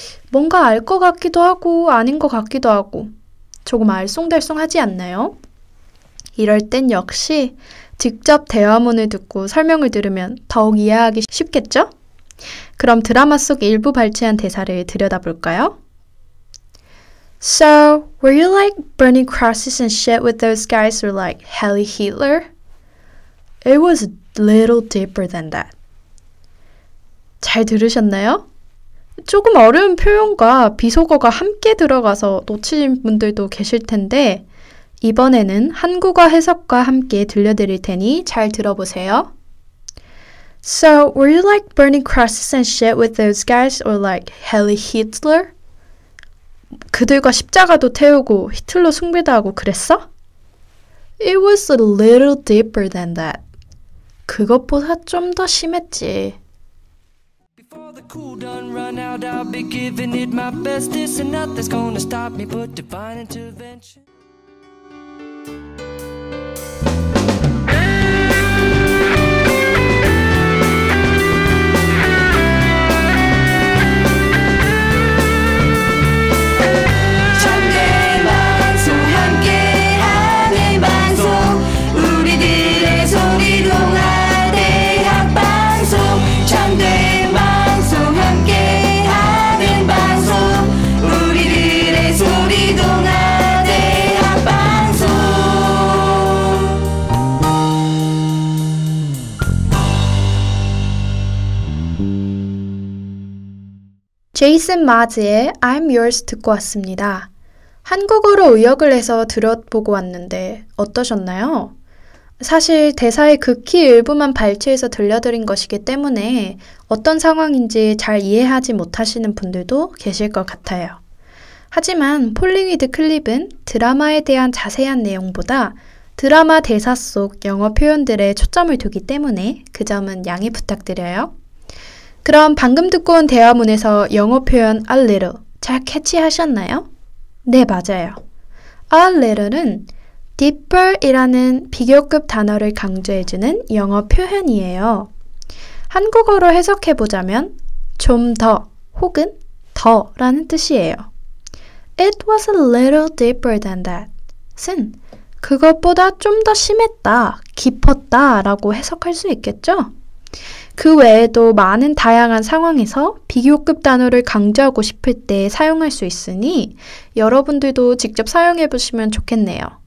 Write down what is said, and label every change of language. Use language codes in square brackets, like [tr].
[ko] 뭔가 알 것 같기도 하고 아닌 것 같기도 하고 조금 알쏭달쏭하지 않나요? 이럴 땐 역시 직접 대화문을 듣고 설명을 들으면 더욱 이해하기 쉽겠죠? 그럼 드라마 속 일부 발췌한 대사를 들여다볼까요? [en] So, were you like burning crosses and shit with those guys or like Heli Hitler? It was a little deeper than that. [ko] 잘 들으셨나요? 조금 어려운 표현과 비속어가 함께 들어가서 놓치신 분들도 계실 텐데 이번에는 한국어 해석과 함께 들려드릴 테니 잘 들어보세요. [en] So, were you like burning crosses and shit with those guys or like Heli Hitler? [ko] 그들과 십자가도 태우고 히틀러 숭배도 하고 그랬어? [en] It was a little deeper than that. [ko] 그것보다 좀 더 심했지. [en] Before the cool done run out, I'll be giving it my best. This and nothing's gonna stop me but divine intervention. [ko] Jason Mraz의 I'm Yours 듣고 왔습니다. 한국어로 의역을 해서 들어보고 왔는데 어떠셨나요? 사실 대사의 극히 일부만 발췌해서 들려드린 것이기 때문에 어떤 상황인지 잘 이해하지 못하시는 분들도 계실 것 같아요. 하지만 폴링위드 클립은 드라마에 대한 자세한 내용보다 드라마 대사 속 영어 표현들에 초점을 두기 때문에 그 점은 양해 부탁드려요. 그럼 방금 듣고 온 대화문에서 영어 표현 a little 잘 캐치하셨나요? 네, 맞아요. a little은 deeper이라는 비교급 단어를 강조해주는 영어 표현이에요. 한국어로 해석해보자면 좀 더 혹은 더 라는 뜻이에요. [en] It was a little deeper than that은 [ko] 그것보다 좀 더 심했다, 깊었다 라고 해석할 수 있겠죠? 그 외에도 많은 다양한 상황에서 비교급 단어를 강조하고 싶을 때 사용할 수 있으니 여러분들도 직접 사용해 보시면 좋겠네요.